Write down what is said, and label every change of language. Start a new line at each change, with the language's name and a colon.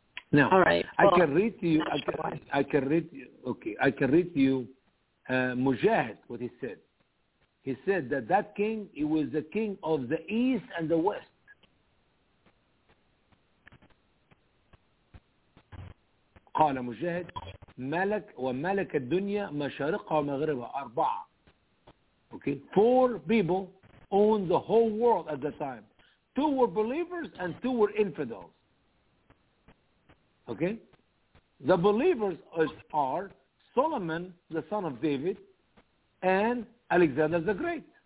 English: Now, all right. I can read to you. I can read to you. Okay. I can read to you. Mujahid, what he said. He said that that king, he was the king of the east and the west.
Arabic: قال مجاهد ملك وملك الدنيا مشارقها ومغربها أربعة.
English: Okay, four people owned the whole world at the time. Two were believers and two were infidels. Okay, the believers are Solomon, the son of David, and Alexander the Great.